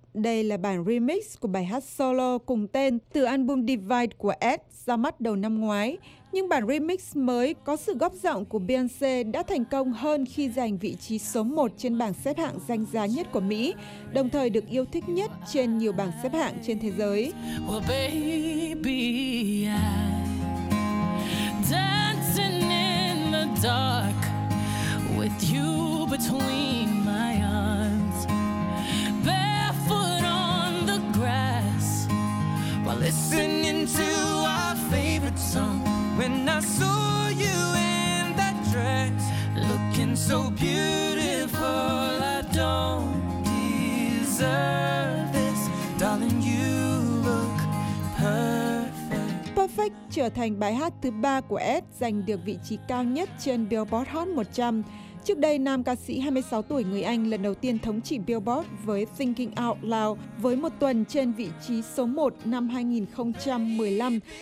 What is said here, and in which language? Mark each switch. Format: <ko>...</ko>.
<vi>Đây là bản remix của bài hát solo cùng tên từ album Divide của Ed ra mắt đầu năm ngoái. Nhưng bản remix mới có sự góp giọng của Beyoncé đã thành công hơn khi giành vị trí số 1 trên bảng xếp hạng danh giá nhất của Mỹ, đồng thời được yêu thích nhất trên nhiều bảng xếp hạng trên thế giới.</vi> <en>Well, baby, dancing in the dark with you between my arms, barefoot on the grass while listening to our favorite song. When I saw you in that dress looking so beautiful, I don't deserve this, darling, you look perfect.</en> <vi>Perfect trở thành bài hát thứ 3 của Ed giành được vị trí cao nhất trên Billboard Hot 100. Trước đây, nam ca sĩ 26 tuổi người Anh lần đầu tiên thống trị Billboard với Thinking Out Loud với một tuần trên vị trí số 1 năm 2015.</vi>